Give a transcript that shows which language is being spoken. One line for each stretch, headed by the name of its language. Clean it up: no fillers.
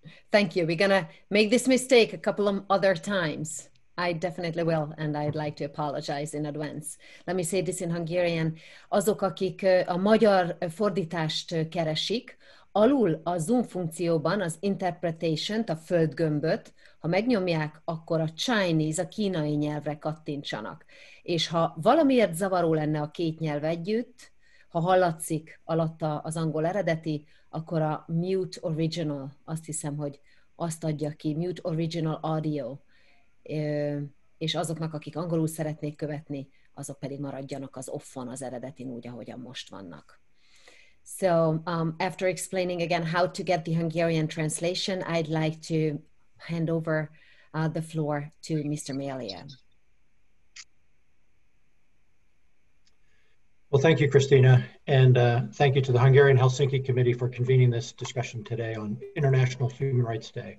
English: Thank you. We're going to make this mistake a couple of other times. I definitely will, and I'd like to apologize in advance. Let me say this in Hungarian.
Hungarian: Azok, akik a magyar fordítást keresik, alul a zoom funkcióban az interpretation-t, a földgömböt, ha megnyomják, akkor a Chinese, a kínai nyelvre kattintsanak. És ha valamiért zavaró lenne a két nyelv együtt, ha hallatszik alatta az angol eredeti, akkor a mute original, azt hiszem, hogy azt adja ki, mute original audio, és azoknak, akik angolul szeretnék követni, azok pedig maradjanak az off-on, az eredetin úgy, ahogyan most vannak.
English: So, after explaining again how to get the Hungarian translation, I'd like to hand over the floor to Mr. Melia. Well, thank you, Krisztina, and thank you to the Hungarian Helsinki Committee for convening this discussion today on International Human Rights Day.